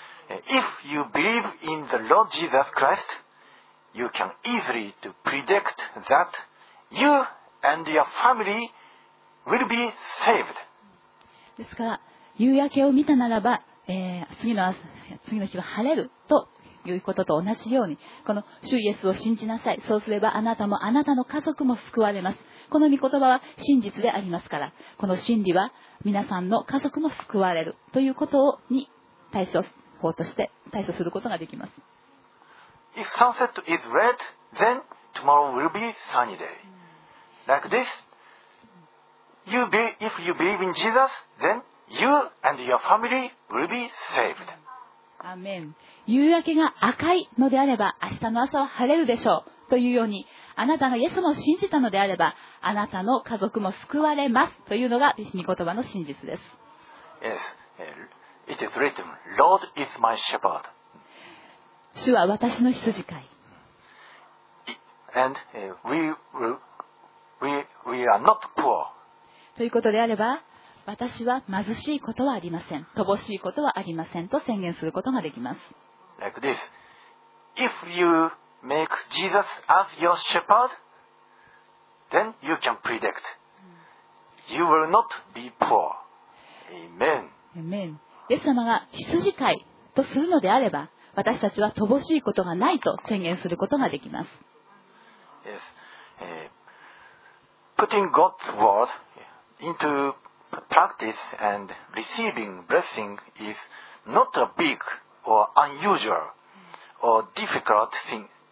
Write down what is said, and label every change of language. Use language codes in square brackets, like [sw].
[en] If you believe in the Lord Jesus Christ, you can easily to predict that you and your familyWill be saved. [ja] ですから夕焼けを見たならば、次の日は晴れるということと同じようにこの主イエスを信じなさいそうすればあなたもあなたの家族も救われます。この御言葉は真実でありますからこの真理は皆さんの家族も救われるということに対処法として対処することができます。 [en] If sunset is red, then tomorrow will be sunny day. Like thisIf you believe in Jesus, then you and your family will be saved. Amen. [ja] 夕焼けが赤いのであれば、明日の朝は晴れるでしょう。というように、あなたがイエス様を信じたのであれば、あなたの家族も救われます。というのが、御言葉の真実です。 [en] Yes. It is written, Lord is my shepherd. [ja] 主は私の羊飼い。 [en] And we are not poor. [ja] ということであれば、私は貧しいことはありません、乏しいことはありませんと宣言することができます。 [en] Like this. If you make Jesus as your shepherd, then you can predict. You will not be poor. Amen. [ja] Amen. イエス様が羊飼いととするのであれば、私たちは乏しいことがないと宣言することができます。 [en] Yes. Putting God's word into practice and receiving blessing is not a big or unusual or difficult thing.